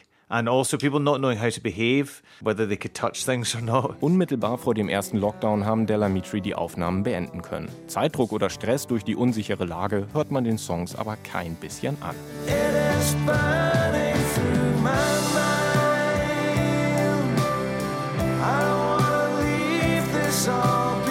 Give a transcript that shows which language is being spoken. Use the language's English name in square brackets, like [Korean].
[English] And also people not knowing how to behave, whether they could touch things or not. [German] Unmittelbar vor dem ersten Lockdown haben Della Mitri die Aufnahmen beenden können. Zeitdruck oder Stress durch die unsichere Lage hört man den Songs aber kein bisschen an. [English] It is burning through my mind. I don't wanna leave this all.